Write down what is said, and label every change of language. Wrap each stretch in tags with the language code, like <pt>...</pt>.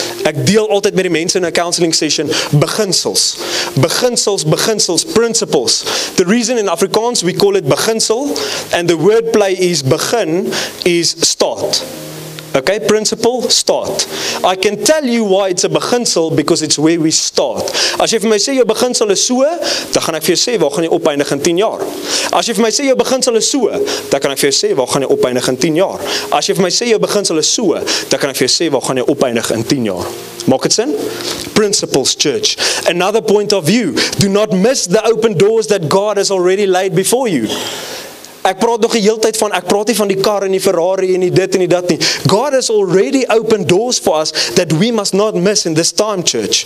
<af>Ek deel altyd met die mense in</af> <en>a counseling session,</en> <af>beginsels, principles.</af> <en>The reason in Afrikaans we call it beginsel, and the word play is begin, is start. Okay, principle, start. I can tell you why it's a beginsel, because it's where we start.</en> <af>As jy vir my sê jou beginsel is so, dan gaan ek vir jou sê waar gaan jy opeindig in 10 jaar. As jy vir my sê jou beginsel is so, dan kan ek vir jou sê waar gaan jy opeindig in 10 jaar. As jy vir my sê jou beginsel is so, dan kan ek vir jou sê waar gaan jy opeindig in 10 jaar. Maak dit sin?</af> <en>Principles, church. Another point of view. Do not miss the open doors that God has already laid before you.</en> <af>Ek praat nog die hele tyd van, ek praat nie van die kar en die Ferrari en die dit en die dat nie.</af> <en>God has already opened doors for us that we must not miss in this time, church.</en>